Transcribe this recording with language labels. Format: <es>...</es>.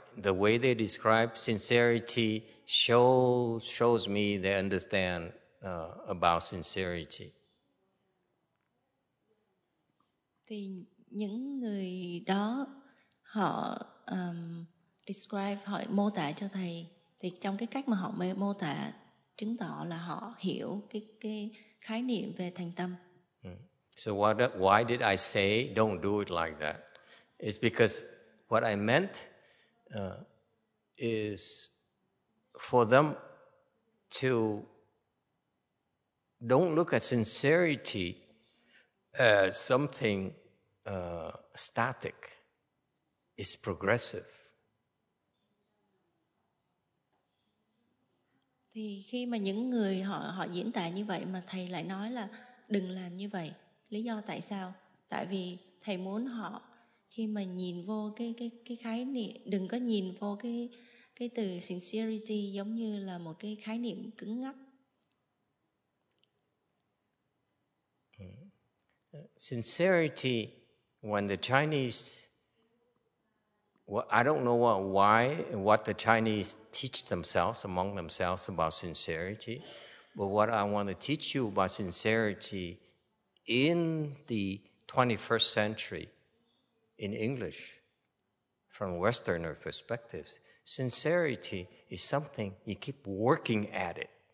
<en>The way they describe sincerity shows me they understand about sincerity.</en> <vi>Thì những người đó họ describe, họ mô tả cho thầy, thì trong cái cách mà họ mô tả chứng tỏ là họ hiểu cái khái niệm về thành tâm.</vi> <en>So why did I say don't do it like that? It's because what I meant is for them to don't look at sincerity as something static. It's progressive.</en> <vi>Thì khi mà những người họ diễn tả như vậy mà thầy lại nói là đừng làm như vậy. Lý do tại sao? Tại vì thầy muốn họ khi mà nhìn vô cái khái niệm, đừng có nhìn vô cái từ sincerity giống như là một cái khái niệm cứng ngắc.</vi> <en>Sincerity, when the Chinese, well, I don't know what the Chinese teach themselves among themselves about sincerity, but what I want to teach you about sincerity in the 21st century, in English, from Westerner perspectives, sincerity is something you keep working at it.</en>